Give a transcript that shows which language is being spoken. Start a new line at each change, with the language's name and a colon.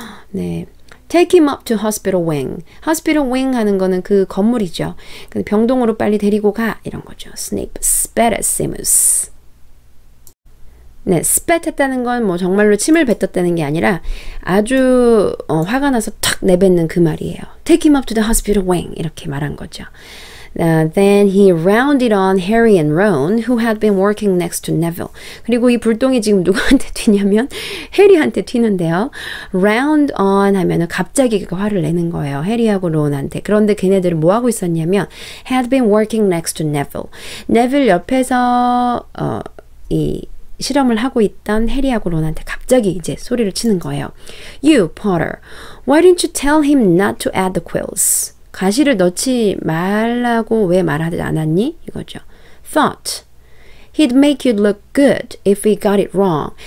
English: 네. Take him up to hospital wing. Hospital wing
Korean: 하는 거는 그 건물이죠. 병동으로 빨리 데리고 가 이런 거죠.
English: Snape spat at Seamus.
Korean: 네, spat 했다는 건 뭐 정말로 침을 뱉었다는 게 아니라 아주 화가 나서 탁 내뱉는 그 말이에요.
English: Take him up to the hospital wing
Korean: 이렇게 말한 거죠.
English: Then he rounded on Harry and Ron, who had been working next to Neville.
Korean: 그리고 이 불똥이 지금 누구한테 튀냐면 해리한테 튀는데요. Round on 하면은 갑자기 화를 내는 거예요. 해리하고 론한테. 그런데 걔네들은 뭐 하고 있었냐면
English: had been working next to Neville.
Korean: Neville 옆에서 이 실험을 하고 있던 해리하고 론한테 갑자기 이제 소리를 치는 거예요.
English: You, Potter, why didn't you tell him not to add the quills?
Korean: 가시를 넣지 말라고 왜 말하지 않았니? 이거죠. Thought.
English: He'd make you look good if he got it wrong.